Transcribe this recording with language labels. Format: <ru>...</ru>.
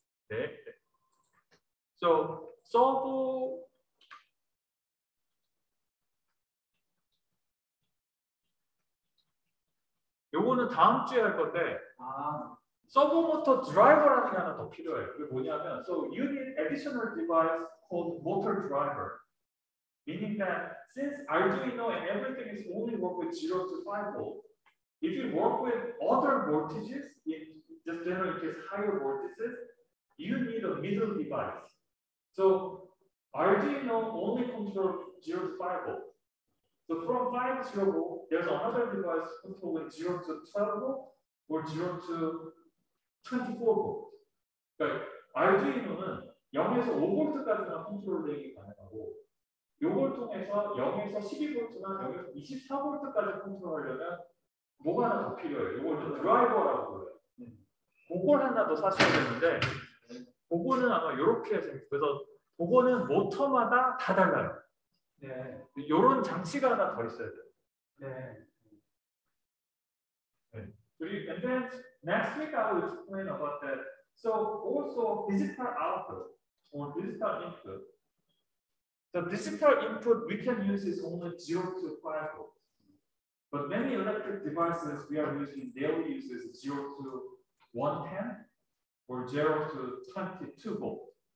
<ko>네.</ko> <en>So, servo.</en> <ko>So, 요거는 다음 주에 할 건데. 아. 서버 모터 드라이버라는 게 하나 더 필요해. 그게 뭐냐면,</ko> <en>so you need additional device called motor driver. Meaning that since Arduino and everything is only work with 0 to 5V. If you work with other voltages, in just general case higher voltages, you need a middle device. So Arduino only controls 0 to 5V. So from 5 to 0V, there's another device controlling 0 to 12V or 0 to 24V. But Arduino는</en> <ko>0에서 5V까지나 컨트롤링이 가능하고 요걸 통해서 0에서 12V나 0에서 24V까지 컨트롤하려면 뭐가 하나 더 필요해요? 요걸 좀 드라이버라고 그래요. 그걸 하나 더 사셔야 되는데 그거는 아마 요렇게 그래서 그거는 모터마다 다 달라요. 네. 요런 장치가 하나 더 있어야 돼요. 네. 그리고</ko> <en>and then next week I will explain about that. So also digital output or digital input. The digital input we can use is only 0 to 5 volts. But many electric devices we are using daily uses 0 to 110 or 0 to 22 volts.</en>